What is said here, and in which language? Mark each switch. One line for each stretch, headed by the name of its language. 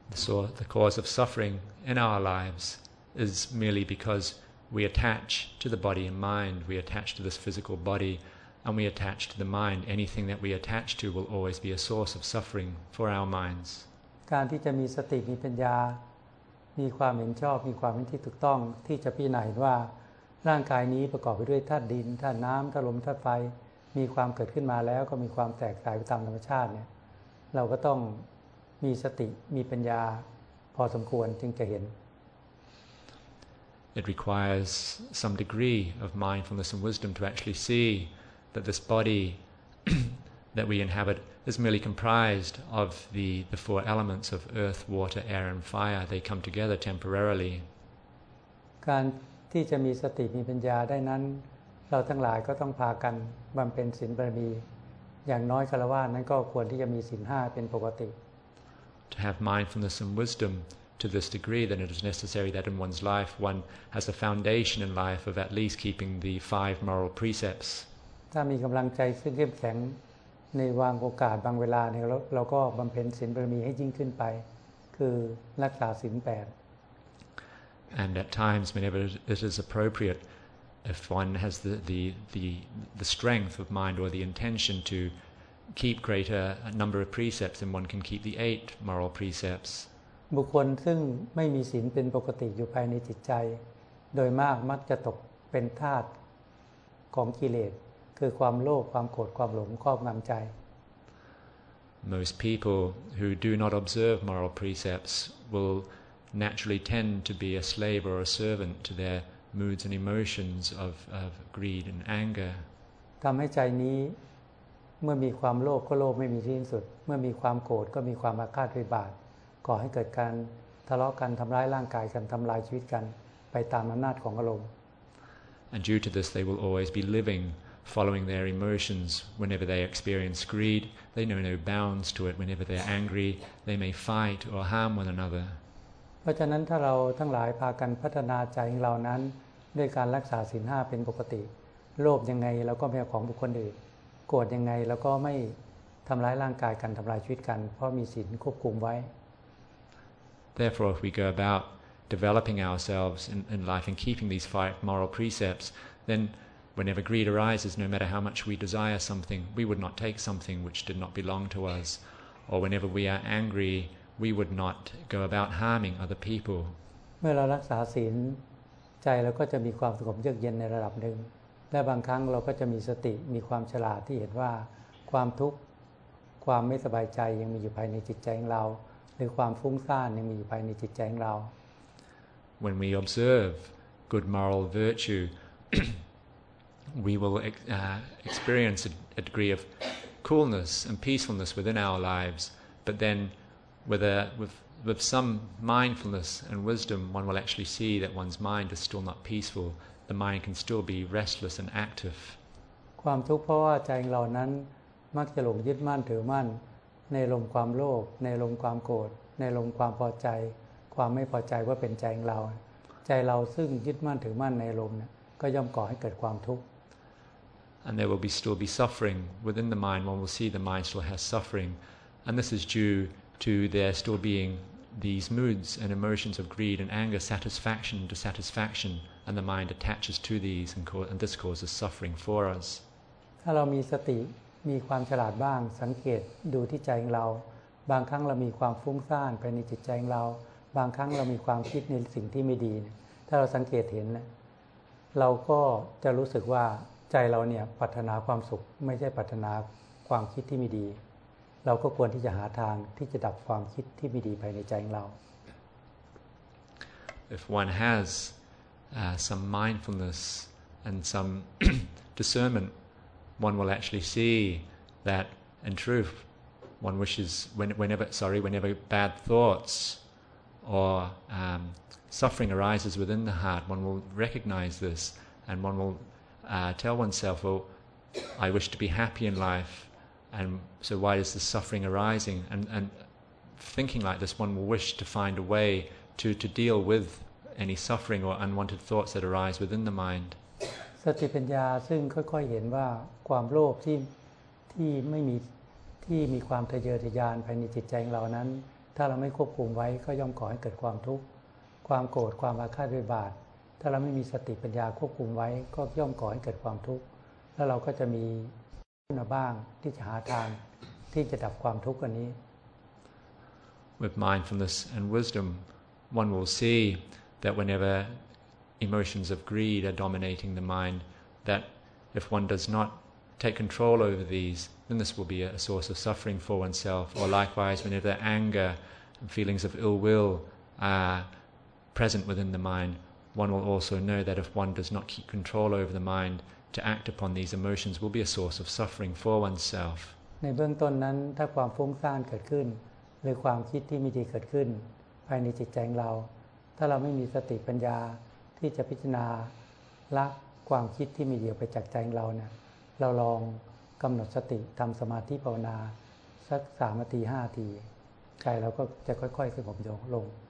English: So the cause of suffering in our lives is merely because we attach to the body and mind we attach to this physical body and we attach to the mind anything that we attach to will always be a source of suffering for our minds
Thai: การที่จะมีสติมีปัญญามีความเห็นชอบมีความเห็นที่ถูกต้องที่จะพิจารณาเห็นว่าร่างกายนี้ประกอบไปด้วยธาตุดินธาตุน้ำธาตุลมธาตุไฟมีความเกิดขึ้นมาแล้วก็มีความแตกสลายไปตามธรรมชาติเนี่ยเราก็ต้องมีสติมีปัญญาพอสมควรจึงจะเห็น
English: It requires some degree of mindfulness and wisdom to actually see that this body that we inhabit is merely comprised of the four elements of earth water air and fire they come together temporarily
Thai: การที่จะมีสติมีปัญญาได้นั้นเราทั้งหลายก็ต้องพากันบำเพ็ญศีลบารมีอย่างน้อยคฤหัสถ์นั้นก็ควรที่จะมีศีล5เป็นปกติ
English: To have mindfulness and wisdom to this degree then it is necessary that in one's life one has a foundation in life of at least keeping the five moral precepts
Thai: ถ้ามีกำลังใจซึ่งเข้มแข็งในวางโอกาสบางเวลาเนี่ยเราก็บำเพ็ญศีลบารมีให้ยิ่งขึ้นไปคือรักษาศีล8
English: And at times whenever it is appropriate if one has the strength of mind or the intention to keep greater number of precepts then one can keep the 8 moral precepts
Thai: บุคคลซึ่งไม่มีศีลเป็นปกติอยู่ภายในจิตใจโดยมากมักจะตกเป็นทาสของกิเลสคือความโลภความโกรธความหลงครอบงำใจ
English: Most people who do not observe moral precepts will naturally tend to be a slave or a servant to their moods and emotions of greed and anger
Thai: ทำให้ใจนี้เมื่อมีความโลภก็โลภไม่มีที่สิ้นสุดเมื่อมีความโกรธก็มีความอาฆาตพยาบาทก่อให้เกิดการทะเลาะกันทำร้ายร่างกายกันทำลายชีวิตกันไปตามอำนาจของอารมณ์
English: And due to this they will always be livingfollowing their emotions whenever they experience greed they know no bounds to it whenever they're angry they may fight or harm one another
Thai: เพราะฉะนั้นถ้าเราทั้งหลายพากันพัฒนาใจของเรานั้นด้วยการรักษาศีล5เป็นปกติโลภยังไงเราก็ไม่เอาของบุคคลอื่นโกรธยังไงเราก็ไม่ทำร้ายร่างกายกันทำลายชีวิตกันเพราะมีศีลควบคุมไว้
English: Therefore if we go about developing ourselves in life and keeping these five moral precepts thenWhenever greed arises, no matter how much we desire something, we would not take something which did not belong to us. Or whenever we are angry, we would not go about harming other people.
Thai: เมื่อเรารักษาศีลใจเราก็จะมีความสงบเยือกเย็นในระดับหนึ่งและบางครั้งเราก็จะมีสติมีความฉลาดที่เห็นว่าความทุกข์ความไม่สบายใจยังมีอยู่ภายในจิตใจของเราหรือความฟุ้งซ่านยังมีอยู่ภายในจิตใจของเรา
English: When we observe good moral virtue, we will experience a degree of coolness and peacefulness within our lives but then with some mindfulness and wisdom one will actually see that one's mind is still not peaceful the mind can still be restless and active
Thai: ความทุกข์เพราะว่าใจของเรานั้นมักจะหลงยึดมั่นถือมั่นในลมความโลภในลมความโกรธในลมความพอใจความไม่พอใจว่าเป็นใจของเราใจเราซึ่งยึดมั่นถือมั่นในลมเนี่ยก็ย่อมก่อให้เกิดความทุกข์
English: And there will be still be suffering within the mind. One will see the mind still has suffering, and this is due to there still being these moods and emotions of greed and anger, satisfaction, dissatisfaction, and the mind attaches to these, and this causes suffering for us.
Thai: ถ้าเรามีสติมีความฉลาดบ้างสังเกตดูที่ใจของเราบางครั้งเรามีความฟุ้งซ่านภายในจิตใจของเราบางครั้งเรามีความคิดในสิ่งที่ไม่ดีถ้าเราสังเกตเห็นเราก็จะรู้สึกว่าใจเราเนี่ยปรารถนาความสุขไม่ใช่ปรารถนาความคิดที่ไม่ดีเราก็ควรที่จะหาทางที่จะดับความคิดที่ไม่ดีภายในใจของเรา
English: If one has some mindfulness and some discernment one will actually see that and true, one wishes whenever bad thoughts or suffering arises within the heart, one will recognize this and one will tell oneself, well, I wish to be happy in life, and so why is the suffering arising? And thinking like this, one will wish to find a way to deal with any suffering or unwanted thoughts that arise within the mind.
Thai: สติปัญญาซึ่งค่อยๆเห็นว่าความโลภที่ไม่มีที่มีความทะเยอทะยานภายในจิตใจของเรานั้นถ้าเราไม่ควบคุมไว้ก็ย่อมก่อให้เกิดความทุกข์ความโกรธความอาฆาตพยาบาทถ้าเราไม่มีสติปัญญาควบคุมไว้ก็ย่อมก่อให้เกิดความทุกข์แล้วเราก็จะมีขึ้นมาบ้างที่จะหาทางที่จะดับความทุกข์อันนี้
English: With mindfulness and wisdom one will see that whenever emotions of greed are dominating the mind, that if one does not take control over these, then this will be a source of suffering for oneself. Or likewise, whenever anger and feelings of ill will are present within the mind, one will also know that if one does not keep control over the mind to act upon these emotions, will be a source of suffering for oneself.
Thai: ในเบื้องต้นนั้นถ้าความฟุ้งซ่านเกิดขึ้นหรือความคิดที่ไม่ดีเกิดขึ้นภายในจิตใจของเราถ้าเราไม่มีสติปัญญาที่จะพิจารณาละความคิดที่มีเดียวไปจากใจเราเนี่ยเราลองกำหนดสติทำสมาธิภาวนาสัก3นาที5นาทีใจเราก็จะค่อยๆสงบลง